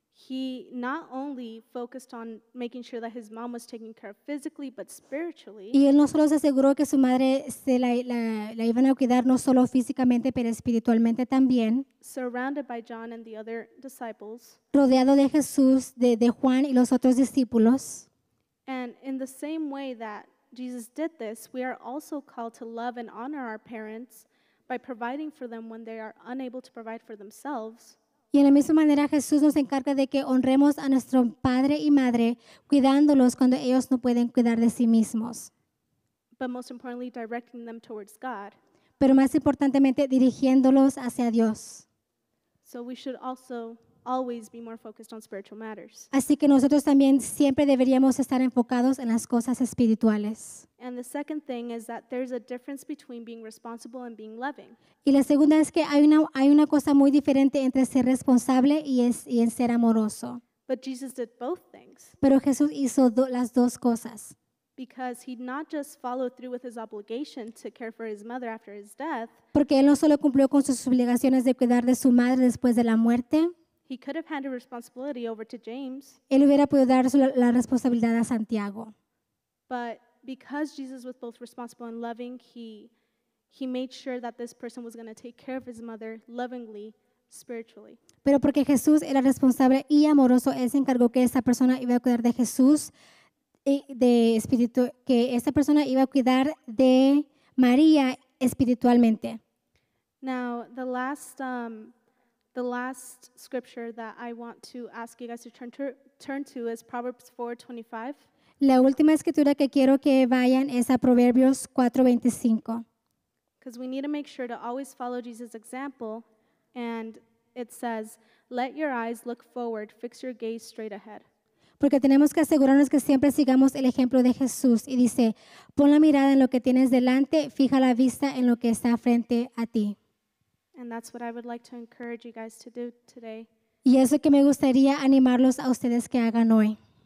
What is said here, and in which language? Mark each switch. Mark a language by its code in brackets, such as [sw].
[en] He not only focused on making sure that his mom was taken care of physically, but spiritually. [es] Y él no solo se aseguró que su madre la iban a cuidar no solo físicamente, pero espiritualmente también. [en] Surrounded by John and the other disciples. [es] Rodeado de Jesús, de Juan y los otros discípulos. [en] And in the same way that Jesus did this, we are also called to love and honor our parents by providing for them when they are unable to provide for themselves. [es] Y en la misma manera, Jesús nos encarga de que honremos a nuestro padre y madre cuidándolos cuando ellos no pueden cuidar de sí mismos. [en] But most importantly, directing them towards God. [es] Pero más importantemente, dirigiéndolos hacia Dios. [en] So we should also always be more focused on spiritual matters. [es] Así que nosotros también siempre deberíamos estar enfocados en las cosas espirituales. [en] And the second thing is that there's a difference between being responsible and being loving. [es] Y la segunda es que hay una cosa muy diferente entre ser responsable y en ser amoroso. [en] But Jesus did both things. [es] Pero Jesús hizo las dos cosas. [en] Because he not just followed through with his obligation to care for his mother after his death. [es] Porque él no solo cumplió con sus obligaciones de cuidar de su madre después de la muerte. [en] He could have handed responsibility over to James. [es] Él hubiera podido dar la responsabilidad a Santiago. [en] But because Jesus was both responsible and loving, he made sure that this person was going to take care of his mother lovingly, spiritually. [es] Pero porque Jesús era responsable y amoroso, él se encargó que esa persona iba a cuidar de Jesús de espíritu, que esa persona iba a cuidar de María espiritualmente. [en] Now, the last scripture that I want to ask you guys to turn to is Proverbs 4:25. [es] La última escritura que quiero que vayan es a Proverbios 4:25. [en] Because we need to make sure to always follow Jesus' example, and it says, "Let your eyes look forward, fix your gaze straight ahead." [es] Porque tenemos que asegurarnos que siempre sigamos el ejemplo de Jesús, y dice, "Pon la mirada en lo que tienes delante, fija la vista en lo que está frente a ti." [en] And that's what I would like to encourage you guys to do today. [es] Y eso que me gustaría animarlos a ustedes que hagan hoy.